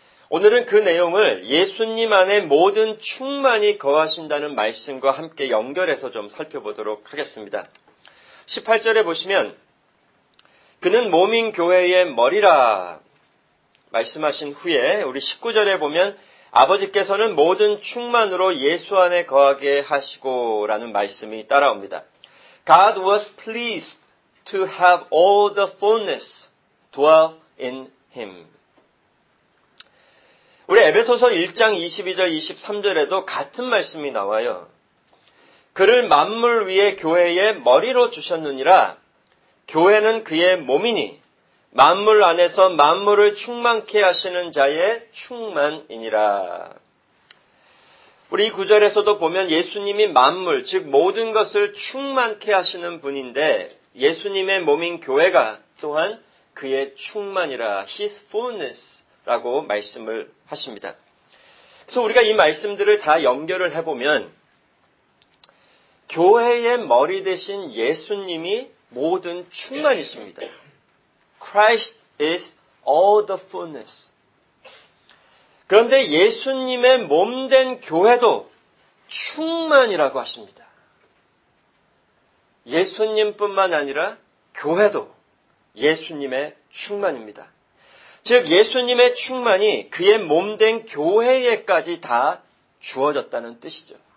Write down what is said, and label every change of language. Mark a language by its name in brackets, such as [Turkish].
[Korean] 오늘은 그 내용을 예수님 안에 모든 충만이 거하신다는 말씀과 함께 연결해서 좀 살펴보도록 하겠습니다. 18절에 보시면 그는 몸인 교회의 머리라 말씀하신 후에 우리 19절에 보면 아버지께서는 모든 충만으로 예수 안에 거하게 하시고라는 말씀이 따라옵니다. [English] God was pleased to have all the fullness dwell in him. [Korean] 우리 에베소서 1장 22절 23절에도 같은 말씀이 나와요. 그를 만물 위에 교회의 머리로 주셨느니라 교회는 그의 몸이니 만물 안에서 만물을 충만케 하시는 자의 충만이니라. 우리 이 구절에서도 보면 예수님이 만물, 즉 모든 것을 충만케 하시는 분인데 예수님의 몸인 교회가 또한 그의 충만이라, [English] His fullness [Korean] 라고 말씀을 하십니다. 그래서 우리가 이 말씀들을 다 연결을 해보면 교회의 머리 되신 예수님이 모든 충만이십니다. [English] Christ is all the fullness. [Korean] 그런데 예수님의 몸된 교회도 충만이라고 하십니다. 예수님뿐만 아니라 교회도 예수님의 충만입니다. 즉 예수님의 충만이 그의 몸된 교회에까지 다 주어졌다는 뜻이죠.